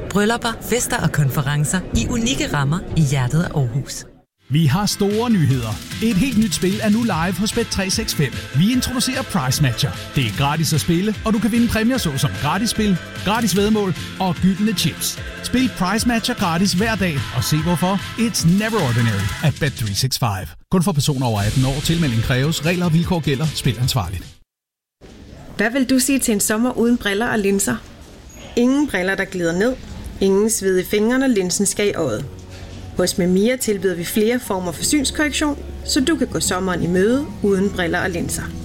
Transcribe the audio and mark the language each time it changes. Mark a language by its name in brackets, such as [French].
[Danish] Bryllupper, fester og konferencer i unikke rammer i hjertet af Aarhus. Vi har store nyheder. Et helt nyt spil er nu live hos Bet365. Vi introducerer Price Matcher. Det er gratis at spille, og du kan vinde præmier såsom gratis spil, gratis væddemål og gyldne chips. Spil Price Matcher gratis hver dag og se hvorfor. [English] It's never ordinary at Bet365. [Danish] Kun for personer over 18 år. Tilmelding kræves. Regler og vilkår gælder. Spil ansvarligt. Hvad vil du sige til en sommer uden briller og linser? Ingen briller, der glider ned, Ingen sved i fingrene, og linsen skal i øjet. Hos Mamiya tilbyder vi flere former for synskorrektion, så du kan gå sommeren i møde uden briller og linser.